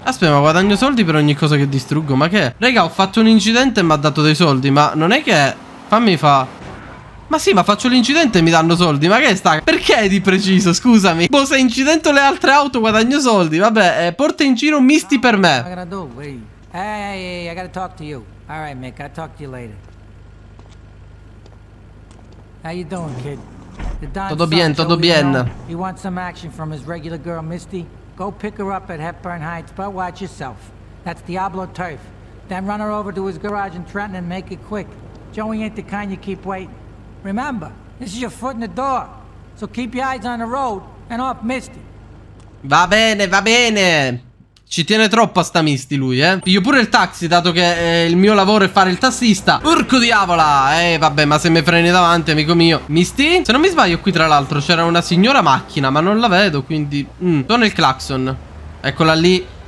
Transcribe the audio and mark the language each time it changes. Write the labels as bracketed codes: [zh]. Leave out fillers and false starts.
[it] Aspetta, ma guadagno soldi per ogni cosa che distruggo? Ma che? Raga, ho fatto un incidente e mi ha dato dei soldi, ma non è che... Fammi fa... Ma sì, ma faccio l'incidente e mi danno soldi. Ma che sta? Perché di preciso? Scusami. Boh, se incidento le altre auto guadagno soldi. Vabbè, porta in giro Misty per me. [en] Hey, I gotta talk to you. All right, Mick, I'll talk to you later. How you doing, kid? [es] Todo bien. [en] He wants some action from his regular girl, Misty. Go pick her up at Hepburn Heights, but watch yourself. That's Diablo turf. Then run her over to his garage in Trenton and make it quick. Joey ain't the kind you keep waiting. Remember, this is your foot in the door. So keep your eyes on the road and off Misty. [it] Va bene, va bene. Ci tiene troppo a sta Misty lui, eh. Piglio pure il taxi, dato che il mio lavoro è fare il tassista. Porco diavola. Vabbè, ma se mi freni davanti, amico mio. Misty? Se non mi sbaglio, qui tra l'altro c'era una signora macchina, ma non la vedo, quindi... Sono il clacson. Eccola lì.